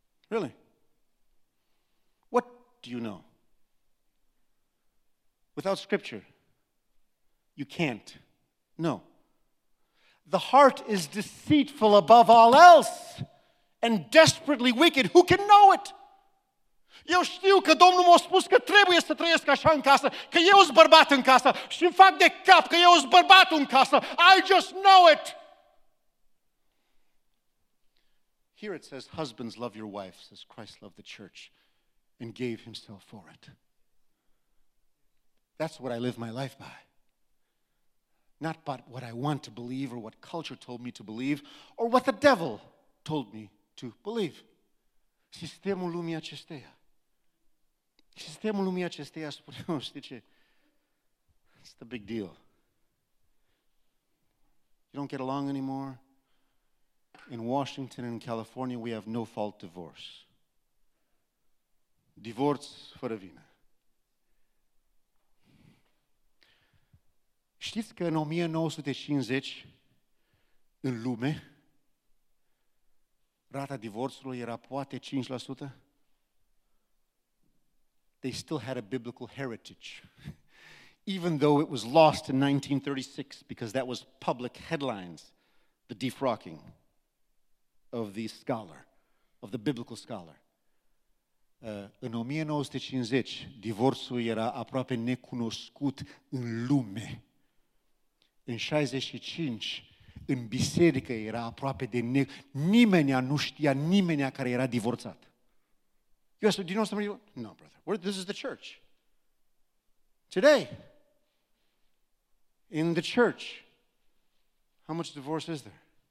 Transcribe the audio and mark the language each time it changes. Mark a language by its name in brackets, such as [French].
[English] Really? What do you know? Without Scripture, you can't. No. The heart is deceitful above all else and desperately wicked. Who can know it? [Romanian] Eu știu că Domnul m-a spus că trebuie să trăiesc așa în casă, că eu sunt bărbat în casă și îmi fac de cap că eu sunt bărbatul în casă. [English] I just know it. Here it says, husbands love your wives as Christ loved the church and gave himself for it. That's what I live my life by. Not by what I want to believe or what culture told me to believe or what the devil told me to believe. [Romanian] Sistemul lumii acesteia. Sistemul lumii acesteia spune, nu știi ce? [English] It's the big deal. You don't get along anymore? In Washington and California, we have no-fault divorce. [Romanian] Divorț fără vină. Știți că în 1950, în lume, rata divorțului era poate 5%? [English] They still had a biblical heritage, even though it was lost in 1936 because that was public headlines, the defrocking of the scholar, of the biblical scholar. [Romanian] În 1950, divorțul era aproape necunoscut în lume. În 65, în biserică era aproape de nimeni nu știa nimeni care era divorțat. [English] You ask, do you know somebody? No, brother. This is the church. Today, in the church, how much divorce is there?